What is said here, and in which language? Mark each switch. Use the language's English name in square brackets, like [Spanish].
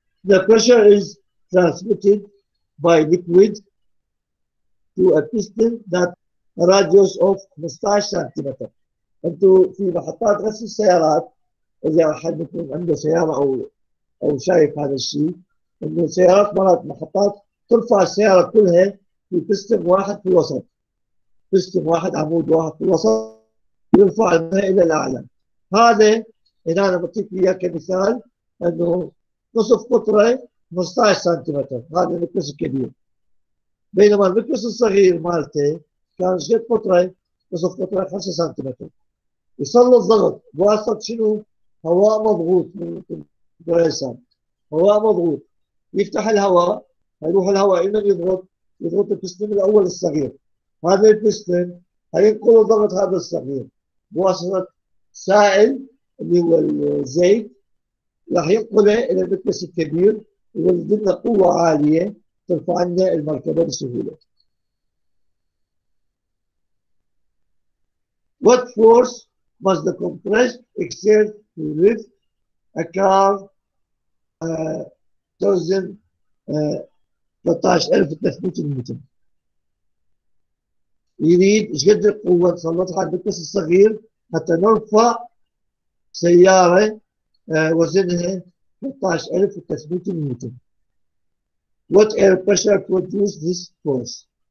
[English] The pressure is transmitted by liquid to a piston that a radius of 15 centimeter. [Arabic] أنتوا في محطات غسل السيارات إذا أحد منكم عنده سيارة أو شايف هذا الشيء إنه السيارات مرات محطات ترفع السيارة كلها في بستم واحد في الوسط بستم واحد عمود واحد في الوسط يرفع المياه إلى الأعلى هذا هنا أنا بعطيك إياه كمثال إنه نصف قطرة 15 سنتيمتر هذا المكبس الكبير بينما المكبس الصغير مالته كان شيء قطرة نصف قطرة 5 سنتيمتر يصل الضغط بواسطة شنو؟ هواء مضغوط من الدريسان هواء مضغوط يفتح الهواء هيروح الهواء يمين يضغط البستن الأول الصغير هذا البستن هينقل ضغط هذا الصغير بواسطة سائل اللي هو الزيت راح ينقله إلى المكبس الكبير ويولد لنا قوة عالية ترفع لنا المركبة بسهولة. [English] What force must the compressed exert to lift a car 13,300 newton. [Arabic] يريد ايش قد القوة تسلطها على المكبس الصغير حتى نرفع سيارة وزنها 13,300 newton. [English] What air pressure produces this force?